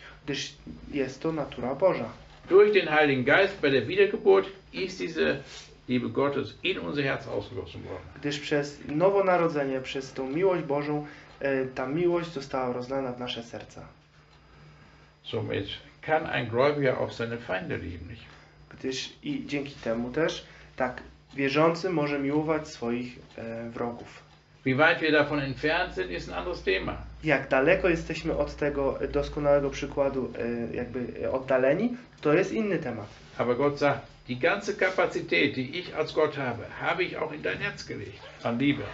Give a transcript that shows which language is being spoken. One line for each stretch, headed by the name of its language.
Polish: Gdyż jest to natura Boża.
German: Durch den Heiligen Geist bei der Wiedergeburt ist diese Liebe Gottes in unser Herz ausgegossen worden.
Polish: Gdyż przez nowonarodzenie, przez tą miłość Bożą, ta miłość została rozlana w nasze serca.
German: Somit kann ein Gläubiger auch seine Feinde lieben, nicht?
Polish: Gdyż i dzięki temu też, tak wierzący może miłować swoich wrogów.
German: Wie weit wir davon entfernt sind, ist ein anderes Thema.
Polish: Jak daleko jesteśmy od tego doskonałego przykładu, jakby oddaleni, to jest inny temat.
German: Aber Gott sagt, die ganze Kapazität, die ich als Gott habe, habe ich auch in dein Herz gelegt, an Liebe.